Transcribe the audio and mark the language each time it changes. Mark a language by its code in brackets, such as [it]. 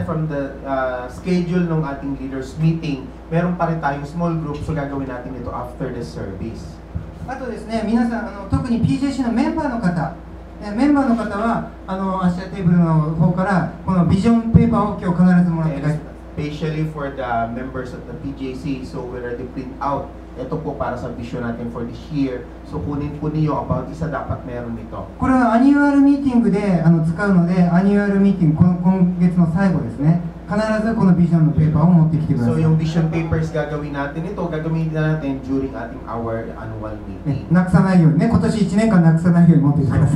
[tl] Ever, [en] aside from the schedule [tl] ng ating leaders meeting, meron pa rin tayong small group, so gagawin natin ito after the service. [ja] あとですね、皆さん、特に PJC のメンバーの方、メンバーの方はアシアテーブルの方からこのビジョンペーパーを今日必ずもらって帰ってください。 [en] Especially for the members of the PJC, so we already print out. [tl] Ito po para sa vision natin [en] for this year. [tl] So kunin po niyo about isa dapat meron nito. [ja] これはアニュアルミーティングで使うので、アニュアルミーティング今月の最後ですね。必ずこのビジョンのペーパーを持ってきてください。 [tl] So yung vision papers gagawin natin ito, gagawin natin during ating our annual meeting. [ja] なくさないようにね、今年1年間なくさないように持ってください。